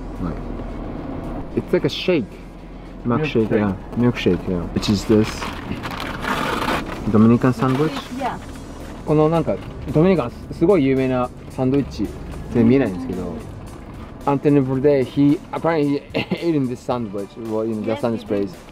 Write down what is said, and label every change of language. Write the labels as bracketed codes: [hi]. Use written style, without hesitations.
[en] Like, it's like a shake, milkshake, yeah, milkshake, yeah. Which is this? Dominican sandwich. Yeah. [ja] このなんかドミニカンすごい有名なサンドイッチ全然見えないんですけど。 [en] Anthony Bourdais, he apparently ate in this sandwich, well, in the sandwich place.